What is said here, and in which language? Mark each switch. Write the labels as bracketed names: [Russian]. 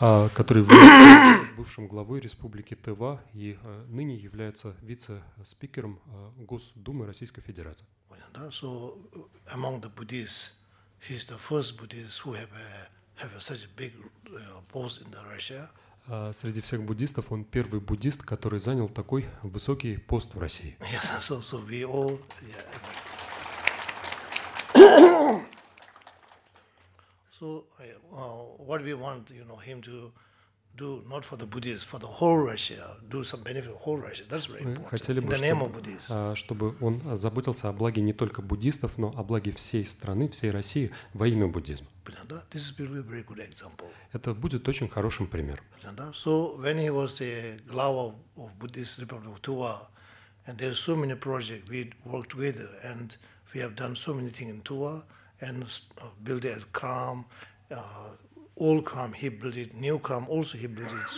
[Russian] который является бывшим главой Республики Тыва и ныне является вице-спикером Госдумы Российской Федерации. [English] So among the Buddhists, he's the first Buddhist who have such a big post in the Russia. [Russian] Среди всех буддистов он первый буддист, который занял такой высокий пост в России. [English] Yes, so we all. Yeah. So what we want, you know, him to do not for the Buddhists, for the whole Russia, do some benefit for whole Russia. That's very important. [Russian] Бы, [English] in the name of Buddhists. [Russian] Чтобы он заботился о благе не только буддистов, но о благе всей страны, всей России во имя буддизма. [English] This is a very good example. [Russian] Это будет очень хорошим примером. [English] So when he was a глава of Buddhist Republic of Tuva, and there's so many projects we worked together, and we have done so many things in Tuva, and built a Kram, old Kram he built it, new Kram also he built it.